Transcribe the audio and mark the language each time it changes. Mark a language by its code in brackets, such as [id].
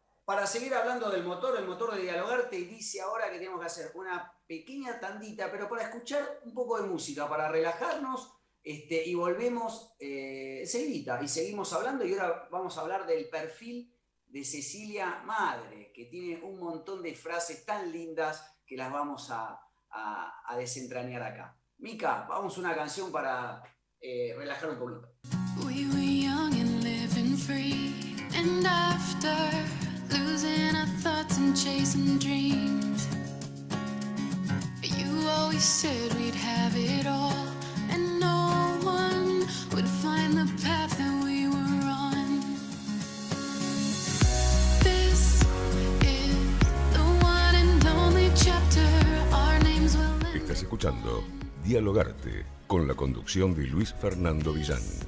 [es] Para seguir hablando del motor, el motor de dialogar, te dice ahora que tenemos que hacer una pequeña tandita, pero para escuchar un poco de música, para relajarnos, y volvemos seguidita, y seguimos hablando, y ahora vamos a hablar del perfil de Cecilia Madre, que tiene un montón de frases tan lindas que las vamos a desentrañar acá. Mica, vamos a una canción para relajar un poquito. [en] We were young and living free, and after losing our thoughts and chasing dreams. You always said we'd have it all, and no one would find the path that we were on. This is the one and only chapter. Our names will end. [es] Estás escuchando Dialogarte con la conducción de Luis Fernando Villán.